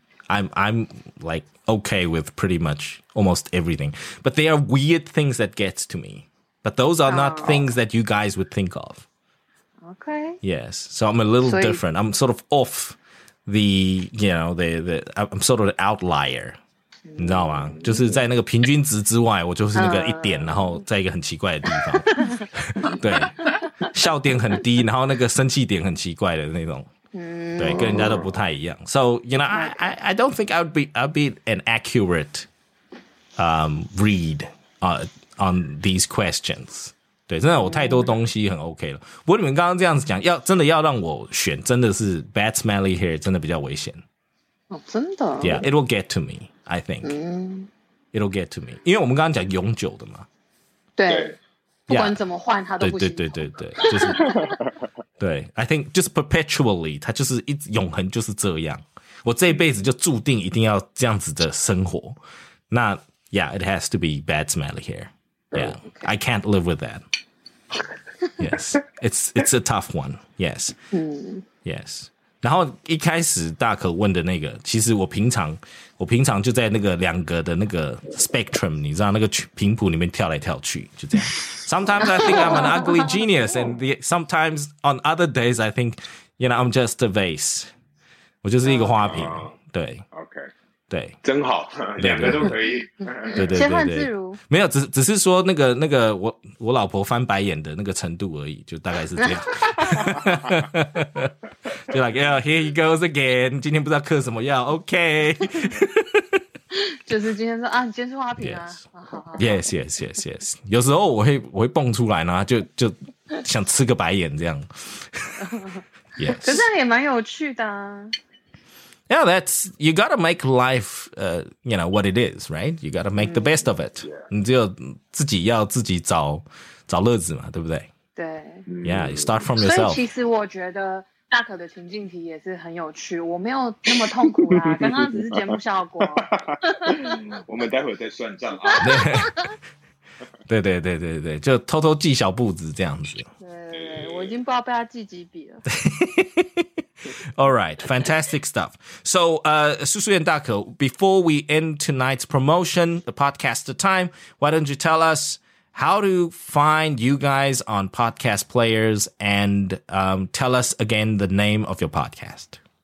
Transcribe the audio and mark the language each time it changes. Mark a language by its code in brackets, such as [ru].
[en] I'm like okay with pretty much almost everything, but there are weird things that gets to me. But those are not things that you guys would think of. Okay. Yes. So I'm a little different. I'm sort of off the, you know, I'm sort of an outlier. [zh] 你知道吗？就是在那个平均值之外，我就是那个一点，然后在一个很奇怪的地方。对，笑点很低，然后那个生气点很奇怪的那种。对，跟人家都不太一样。 [en] So, you know, I don't think I'd be an accurate read. On these questions. [zh] 对，真的我太多东西很 OK 了。不过你们刚刚这样子讲，真的要让我选，真的是 [en] bad smelly hair [zh] 真的比较危险。哦，真的。 [en] Yeah, it will get to me, I think. It will get to me. [zh] 因为我们刚刚讲永久的嘛。对。Yeah, 不管怎么换它都不行。对对对对对。就是、对 , [en] I think just perpetually, [zh] 它就是一直永恒就是这样。我这一辈子就注定一定要这样子的生活。 [en] 那 ,yeah, it has to be bad smelly hair. Yeah, okay. I can't live with that. Yes, it's a tough one. Yes, yes. [zh] 然后一开始大可问的那个，其实我平常就在那个两个的那个 spectrum， 你知道那个频谱里面跳来跳去，就这样。 [en] Sometimes I think I'm an ugly genius, and sometimes on other days I think, you know, I'm just a vase. [zh] 我就是一个花瓶，对。 [en] Okay. [zh] 对，真好，两个都可以。对对对对，切换自如。没有，只是说那个我老婆翻白眼的那个程度而已，就大概是这样。 [en] 就 like yeah, here he goes again. [zh] 今天不知道刻什么药 ，OK 。就是今天说啊，你今天是花瓶啊。 [en] Yes. [zh] 好好好 [en] yes, yes, yes, yes. [zh] 有时候我会蹦出来呢，就想吃个白眼这样。 [en] yes. [zh] 可是也蛮有趣的啊。 [en] Yeah, that's, you gotta make life, you know, what it is, right? You gotta make the best of it. Yeah. [zh] 你只有自己要自己找乐子嘛，对不对？对。 [en] Yeah, you start from yourself. [zh] 所以其实我觉得大可的情境题也是很有趣，我没有那么痛苦啦，刚刚只是节目效果。我们待会再算账啊。对对对对对对，就偷偷记小步子这样子。对，我已经不知道被他记几笔了。 [en] All right, fantastic stuff. So, Susu and Daka, before we end tonight's promotion, the podcast time, why don't you tell us how to find you guys on podcast players and tell us again the name of your podcast?